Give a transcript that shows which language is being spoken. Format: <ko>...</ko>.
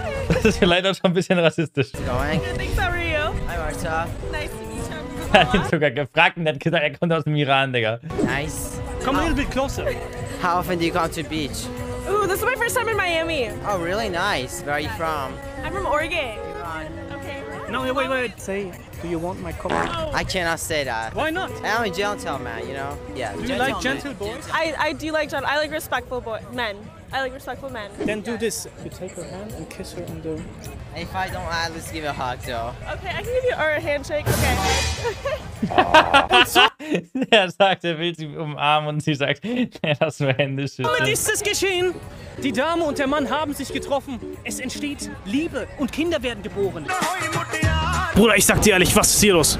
<de>Das ist vielleicht auch schon ein bisschen rassistisch.</de> <en>How's it going? Good, thanks, how are you? Hi, Marta. Nice to meet you.</en> <de>Er hat ihn sogar gefragt und hat gesagt, er kommt aus dem Iran, Digga.</de> <en>Nice. Come a little bit closer. How often do you come to the beach? Ooh, this is my first time in Miami. Oh, really nice. Where are you from? I'm from Oregon. Iran. No, wait. Say, do you want my coffee? I cannot say that. Why not? I'm a gentleman, you know? Yeah. Do you like gentle boys? I do like gentle. I like respectful men. I like respectful men. Then do this. You take her hand and kiss her in the... If I don't, at least give a hug, though. Okay, I can give you or a handshake. Okay.</en> <de>Er sagt, er will sie umarmen und sie sagt, lass mir Hände schütteln. Damit ist es geschehen. Die Dame und der Mann haben sich getroffen. Es entsteht Liebe und Kinder werden geboren. Bruder, ich sag dir ehrlich, was ist hier los?</de>